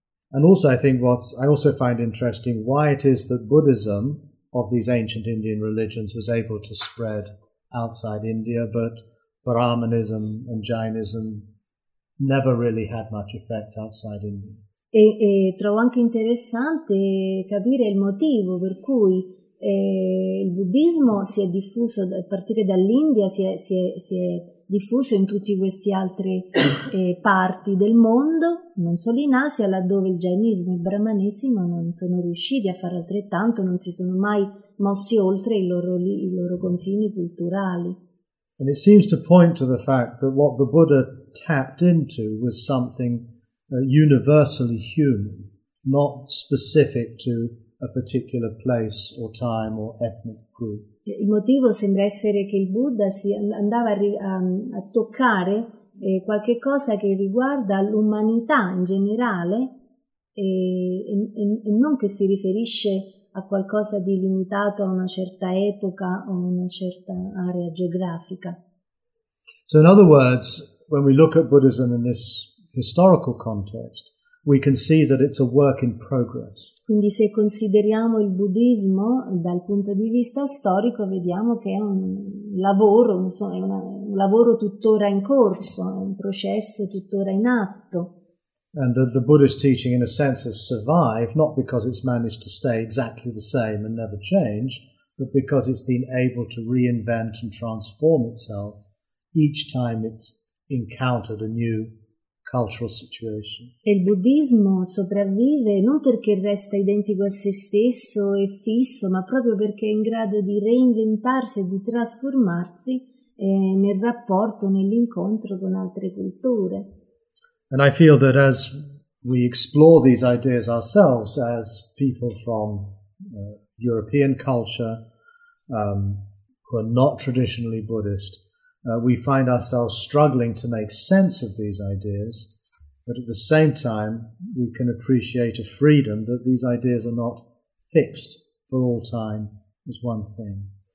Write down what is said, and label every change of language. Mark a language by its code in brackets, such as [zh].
[en] And also, I think I also find interesting why it is that Buddhism of these ancient Indian religions was able to spread outside India, but Brahmanism and Jainism never really had much effect outside India. [it] E trovo anche interessante capire il motivo per cui il buddismo si è diffuso a partire dall'India, si è diffuso in tutte queste altre parti del mondo, non solo in Asia, laddove il jainismo e il brahmanesimo non sono riusciti a fare altrettanto, non si sono mai mossi oltre i loro confini culturali. [en] And it seems to point to the fact that what the Buddha tapped into was something universally human, not specific to a particular place or time or ethnic group. [it] Il motivo sembra essere che il Buddha si andava a toccare qualche cosa che riguarda l'umanità in generale e non che si riferisce a qualcosa di limitato a una certa epoca o a una certa area geografica. [en] So in other words, when we look at Buddhism in this historical context, we can see that it's a work in progress. [it] Quindi se consideriamo il buddismo dal punto di vista storico, vediamo che è un lavoro, un lavoro tuttora in corso, un processo tuttora in atto. [en] And the Buddhist teaching, in a sense, has survived not because it's managed to stay exactly the same and never change, but because it's been able to reinvent and transform itself each time it's encountered a new cultural situation. [it] E il buddismo sopravvive non perché resta identico a se stesso e fisso, ma proprio perché è in grado di reinventarsi e di trasformarsi nel rapporto, nell'incontro con altre culture. [en] And I feel that as we explore these ideas ourselves as people from European culture who are not traditionally Buddhist, we find ourselves struggling to make sense of these ideas, but at the same time we can appreciate a freedom that these ideas are not fixed for all time as one thing.